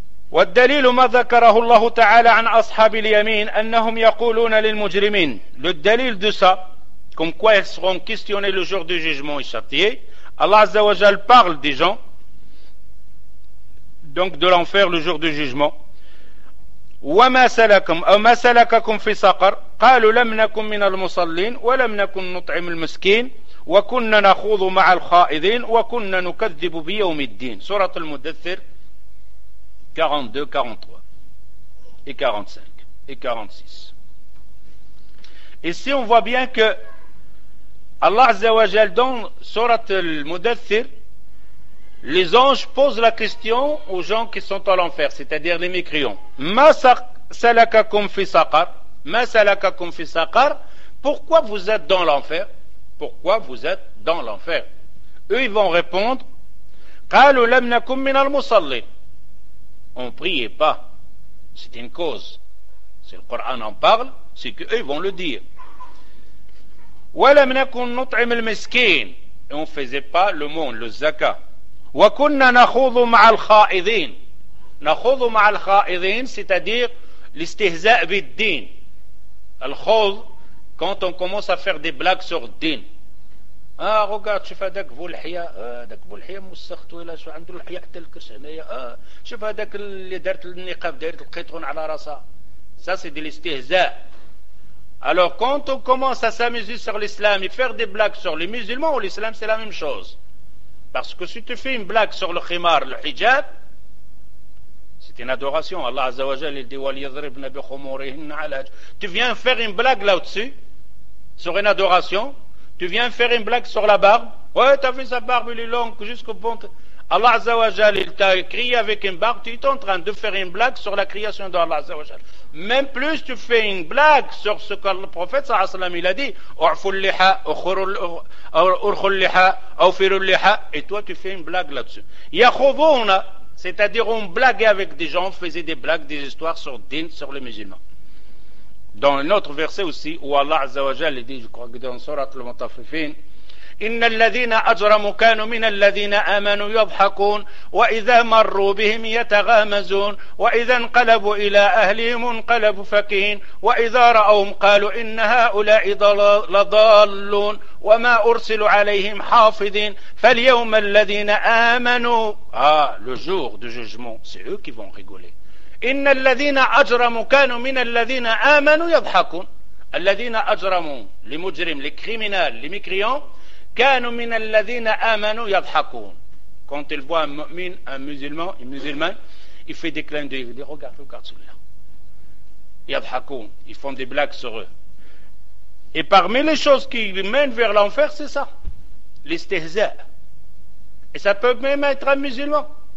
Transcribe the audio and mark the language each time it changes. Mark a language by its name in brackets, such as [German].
[Arabic] والدليل ما ذكره الله تعالى عن أصحاب اليمين أنهم يقولون للمجرمين. [French] Le dalil de ça, comme quoi ils seront questionnés le jour du jugement et châtiés, Allah Azza wa Jal parle des gens, donc de l'enfer le jour du jugement. [Arabic] وما سلككم أو ما سلككم في سقر قالوا لم نكن من المصلين ولم نكن نطعم المسكين وكنا نخوض مع الخائضين وكنا نكذب بيوم الدين. سورة المدثر 42, 43 et 45 et 46. [French] Ici, on voit bien que Allah Azzawajal, dans Surat al-Mudathir, les anges posent la question aux gens qui sont à l'enfer, c'est-à-dire les mécréants. Ma salakakum fi saqar, ma salakakum fi saqar, pourquoi vous êtes dans l'enfer? Pourquoi vous êtes dans l'enfer? Eux, ils vont répondre, qalu lam nakum min al-musallin. On ne priait pas. C'est une cause. Si le Coran en parle, c'est qu'eux vont le dire. [Arabic] وَلَمْ نَكُنْ نُطْعِمِ الْمِسْكِينَ. [French] Et on ne faisait pas le monde, le zakat. [Arabic] وَكُنَّ نَخُوضُ مَعَ الْخَائِذِينَ. نَخُوضُ مَعَ الْخَائِذِينَ, [French] c'est-à-dire l'istihza' bid-din. Al-khawd, quand on commence à faire des blagues sur din. Ah, regarde, [Arabic] شوف هذاك بو الحياء, هذاك بو الحياء مسخت ولا شو عنده الحياء حتى الكرش هنايا, شوف هذاك اللي دارت النقاب دارت القطغون على راسها. [French] Ça c'est de l'istihza. Alors quand on commence à s'amuser sur l'islam et faire des blagues sur les musulmans, l'islam c'est la même chose. Parce que si tu fais une blague sur le khimar, le hijab, c'est une adoration. Allah Azza wa Jal, il dit wal yadhribna bi khumurihinna ala. Tu viens faire une blague là-dessus, sur une adoration. Tu viens faire une blague sur la barbe. Ouais, t'as vu sa barbe, il est longue jusqu'au pont. Allah Azza wa Jal, il t'a crié avec une barbe, tu es en train de faire une blague sur la création d'Allah Azza wa Jal. Même plus tu fais une blague sur ce que le prophète sallallahu alayhi wa sallam il a dit, "Urful liha, urkhul liha, awfirul liha", et toi tu fais une blague là-dessus. Yakhuduna, c'est-à-dire on blaguait avec des gens, on faisait des blagues, des histoires sur din, sur les musulmans. Dans un autre verset aussi, où Allah Azza wa Jal dit, je crois que dans Surat al-Mutaffifin, [Arabic] إن الذين أجرموا كانوا من الذين آمنوا يضحكون وإذا مروا بهم يتغامزون وإذا انقلبوا إلى أهلهم انقلبوا فكهين وإذا رأوهم قالوا إن هؤلاء لضالون وما أرسلوا عليهم حافظين فاليوم الذين آمنوا [French] le jour du jugement, c'est eux qui vont rigoler. [Arabic] إن الذين أجرموا كانوا من الذين آمنوا يضحكون. الذين أجرموا, les مجرمين, [French] les criminels, les mécréants, [Arabic] كانوا من الذين آمنوا يضحكون. [French] Quand il voit un mu'min, un musulman, une musulmane, il fait des clins d'œil, il dit regarde, regarde celui-là. يضحكون, ils font des blagues sur eux. Et parmi les choses qui les mènent vers l'enfer, c'est ça, l'istihza. Et ça peut même être un musulman.